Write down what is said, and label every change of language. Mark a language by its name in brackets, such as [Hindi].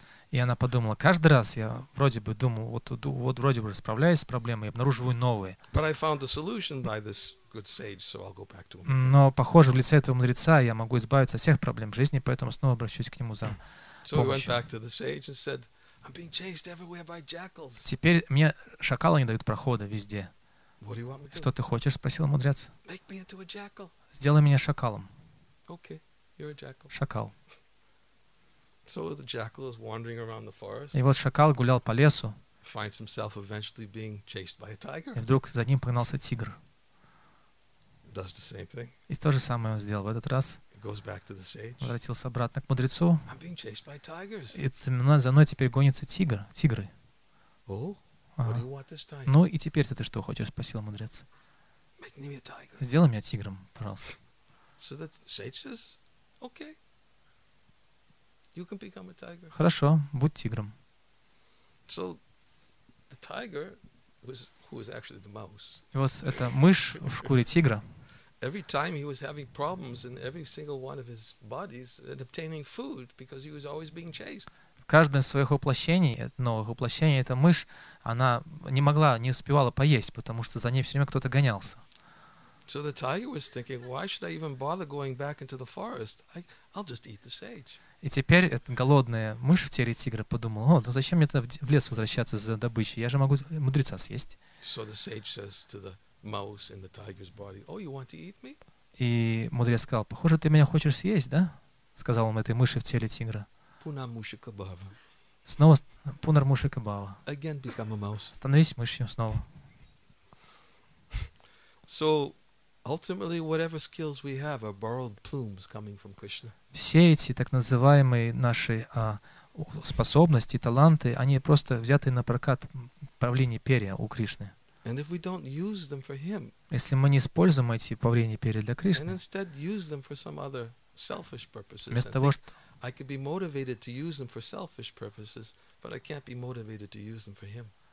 [Russian] И она подумала: каждый раз я вроде бы думал, вот вроде бы справляюсь с проблемой, я обнаруживаю новые. [English] But I found a solution by this good sage, so I'll go back to him. [Russian] Но похоже, в лице этого мудреца я могу избавиться от всех проблем в жизни, поэтому снова обращусь к нему за помощью. [English] So I went back to the sage and said, I'm being chased everywhere by jackals. [Russian] Теперь мне шакалы не дают прохода везде. [English] What do you want me to do? [Russian] Что ты хочешь? Спросил мудрец. [English] Make me into a jackal. [Russian] Сделай меня шакалом. [English] Okay. You're a jackal. [Russian] Шакал. [English] So the jackal is wandering around the forest. [Russian] И вот шакал гулял по лесу. [English] Finds himself eventually being chased by a tiger. [Russian] И вдруг за ним погнался тигр. [English] Does the same thing. [Russian] И то же самое он сделал в этот раз. [English] Goes back to the sage. [Russian] Возвратился обратно к мудрецу. [English] I'm being chased by tigers. [Russian] И за мной теперь гонится тигр, тигры. [English] Oh, what do you want this time? [Russian] Ну и теперь ты что хочешь, спросил мудрец. [English] Make me a tiger. [Russian] Сделай меня тигром, пожалуйста. [English] So the sage says, okay, you can become a tiger. [Russian] Хорошо, будь тигром. [English] So the tiger was, who was actually the mouse. [Russian] И вот эта мышь в шкуре тигра. [English] Every time he was having problems in every single one of his bodies at obtaining food, because he was always being chased. [Russian] В каждом своих воплощений, новых воплощений, эта мышь, она не могла, не успевала поесть, потому что за ней все время кто-то гонялся. [English] So the tiger was thinking, why should I even bother going back into the forest? I'll just eat the sage. [Russian] И теперь эта голодная мышь в теле тигра подумала: ну зачем мне это в лес возвращаться за добычей? Я же могу мудреца съесть. [English] So the sage says to the mouse in the tiger's body, oh, you want to eat me? [Russian] И мудрец сказал: похоже, ты меня хочешь съесть, да? Сказал он этой мыши в теле тигра. [Sanskrit] Пунармушикабава. [Russian] Снова пунармушикабава. [English] Again become a mouse. [Russian] Становись мышью снова. [English] So ultimately, whatever skills we have are borrowed plumes coming from Krishna. [Russian] Все эти так называемые наши способности, таланты, они просто взяты на прокат павлиний перья у Кришны. [English] And if we don't use them for him, [Russian] если мы не используем эти павлиний перья для Кришны, [English] and instead use them for some other selfish purposes, [Russian] вместо того, что [English] I could be motivated to use them for selfish purposes, but I can't be motivated to use them for him.